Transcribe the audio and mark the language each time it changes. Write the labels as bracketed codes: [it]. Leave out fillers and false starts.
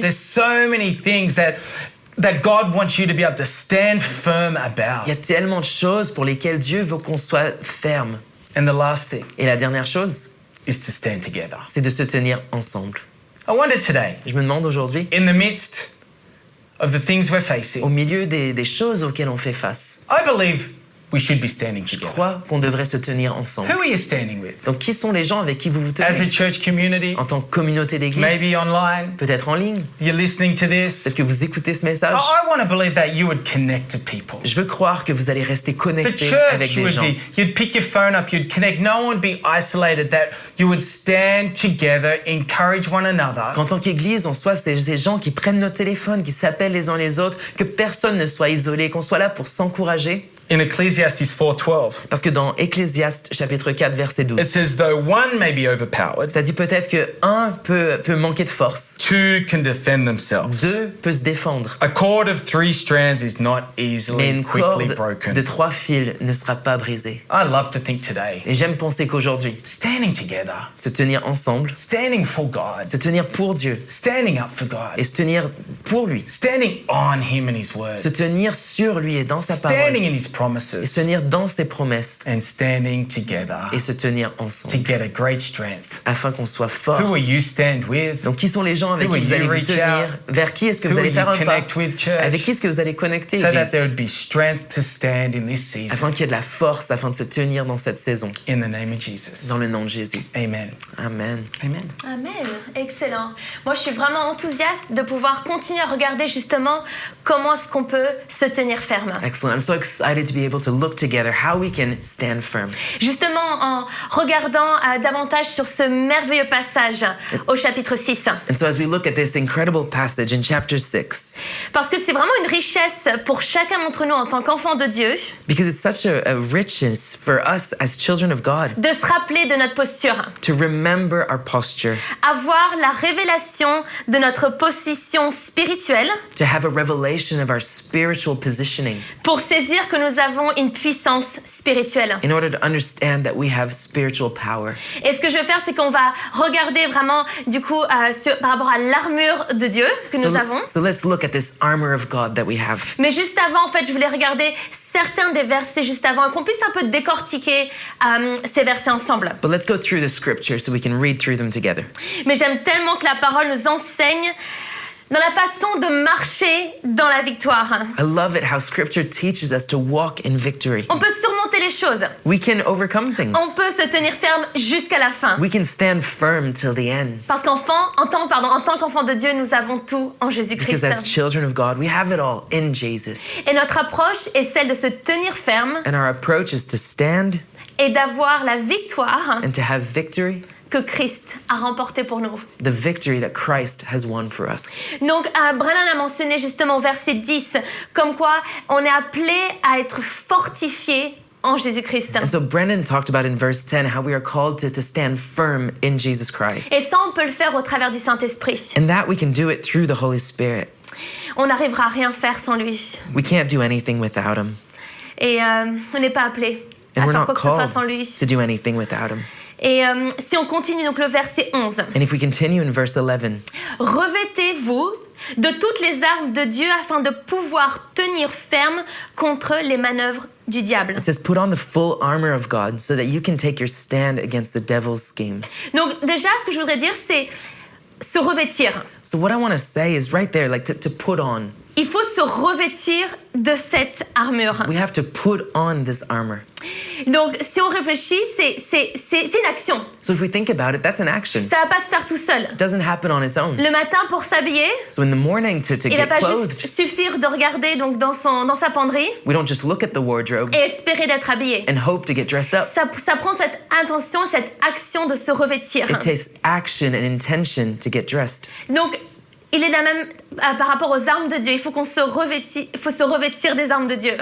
[en] There's so many things that God wants you to be able to stand firm about. [fr] Il y a tellement de choses pour lesquelles Dieu veut qu'on soit ferme. [en] And the last thing, [fr] et la dernière chose, [en] is to stand together. [fr] C'est de se tenir ensemble. [en] I wonder today, [fr] je me demande aujourd'hui, [en] in the midst of the things we're facing, [fr] au milieu des choses auxquelles on fait face, [en] I believe we should be standing together. [fr] Je crois qu'on devrait se tenir ensemble. [en] Who are you standing with? [fr] Donc qui sont les gens avec qui vous vous tenez? [en] As a church community, [fr] en tant que communauté d'église, [en] maybe online, [fr] peut-être en ligne, [en] you're listening to this, [fr] peut-être que vous écoutez ce message. [en] I want to believe that you would connect to people. [fr] Je veux croire que vous allez rester connecté [en] the church [fr] avec [en] would [fr] des gens. [en] Be, you'd pick your phone up, you'd connect. No one would be isolated. That you would stand together, encourage one another. [fr] Qu'en tant qu'église, on soit ces gens qui prennent nos téléphones, qui s'appellent les uns les autres, que personne ne soit isolé, qu'on soit là pour s'encourager. [en] In Ecclesiastes 4:12. [fr] Parce que dans Ecclésiaste chapitre 4 verset 12. [en] It says though one may be overpowered. [fr] Ça dit peut-être que un peut manquer de force. [en] Two can defend themselves. [fr] Deux peut se défendre. [en] A cord of three strands is not easily quickly broken. [fr] Mais une corde de trois fils ne sera pas brisée. [en] I love to think today. [fr] Et j'aime penser qu'aujourd'hui. [en] Standing together. [fr] Se tenir ensemble. [en] Standing for God. [fr] Se tenir pour Dieu. [en] Standing up for God. [fr] Et se tenir pour lui. [en] Standing on him and his word. [fr] Se tenir sur lui et dans sa parole. [en] Standing in his promises, [fr] et se tenir dans ses promesses, [en] and standing together, [fr] et se tenir ensemble, [en] to get a great strength, [fr] afin qu'on soit fort. [en] Who will you stand with? [fr] Donc qui sont les gens avec [en] who [fr] qui vous allez vous tenir? Vers qui est-ce que [en] who [fr] vous allez faire un pas? [en] Connect with church? [fr] Avec qui est-ce que vous allez connecter? [en] So that there would be strength to stand in this season. [fr] Afin qu'il y ait de la force, afin de se tenir dans cette saison. [en] In the name of Jesus. [fr] Dans le nom de Jésus. [en] Amen. [fr] Amen. [en] Amen. [fr] Amen. Excellent. Moi, je suis vraiment enthousiaste de pouvoir continuer à regarder justement comment est-ce qu'on peut se tenir ferme. [en] Excellent. I'm so excited to be able to look together how we can stand firm. [fr] Justement, en regardant davantage sur ce merveilleux passage au chapitre 6. [en] And so as we look at this incredible passage in chapter 6. [fr] Parce que c'est vraiment une richesse pour chacun d'entre nous en tant qu'enfants de Dieu. [en] Because it's such a richness for us as children of God. [fr] De se rappeler de notre posture. [en] To remember our posture. [fr] Avoir la révélation de notre position spirituelle. [en] To have a revelation of our spiritual positioning. [fr] Pour saisir que nous avons une puissance spirituelle. [en] In order to understand that we have spiritual power. [fr] Et ce que je veux faire, c'est qu'on va regarder vraiment, du coup, par rapport à l'armure de Dieu que [en] so [fr] nous avons. [en] So let's look at this armor of God that we have. [fr] Mais juste avant, en fait, je voulais regarder certains des versets juste avant, qu'on puisse un peu décortiquer ces versets ensemble. [en] But let's go through the scripture so we can read through them together. [fr] Mais j'aime tellement que la parole nous enseigne dans la façon de marcher dans la victoire. [en] I love it how scripture teaches us to walk in victory. [fr] On peut surmonter les choses. [en] We can overcome things. [fr] On peut se tenir ferme jusqu'à la fin. [en] We can stand firm till the end. [fr] Parce qu'enfant, en tant qu'enfant de Dieu, nous avons tout en Jésus-Christ. [en] Because as children of God, we have it all in Jesus. [fr] Et notre approche est celle de se tenir ferme. [en] And our approach is to stand. [fr] Et d'avoir la victoire. [en] And to have victory. [fr] Que Christ a remporté pour nous. [en] The victory that Christ has won for us. [fr] Donc, Brennan a mentionné justement verset 10, comme quoi on est appelé à être fortifié en Jésus-Christ. [en] And so Brennan talked about in verse 10 how we are called to stand firm in Jesus Christ. [fr] Et ça, on peut le faire au travers du Saint-Esprit. [en] And that we can do it through the Holy Spirit. [fr] On n'arrivera à rien faire sans lui. [en] We can't do anything without him. [fr] Et on n'est pas appelé [en] and [fr] à faire quoi que ce soit sans lui. [en] To do anything without him. [fr] Et si on continue, donc le verset 11. [en] And if we continue in verse 11. [fr] Revêtez-vous de toutes les armes de Dieu afin de pouvoir tenir ferme contre les manœuvres du diable. [en] It says put on the full armor of God so that you can take your stand against the devil's schemes. [fr] Donc déjà, ce que je voudrais dire, c'est se revêtir. [en] So what I want to say is right there, like to put on. [fr] Il faut se revêtir de cette armure. [en] We have to put on this armor. [fr] Donc, si on réfléchit, c'est une action. [en] So if we think about it, that's an action. [fr] Ça va pas se faire tout seul. [en] It doesn't happen on its own. [fr] Le matin, pour s'habiller, [en] so in the morning to [fr] il [en] get [fr] va pas [en] clothed, [fr] juste suffire de regarder donc dans sa penderie. [en] We don't just look at the wardrobe. [fr] Et espérer d'être habillé. [en] And hope to get dressed up. [fr] Ça prend cette intention, cette action de se revêtir. [en] It takes action and intention to get dressed. [fr] Donc il est la même par rapport aux armes de Dieu. Il faut qu'on se revêtir des armes de Dieu.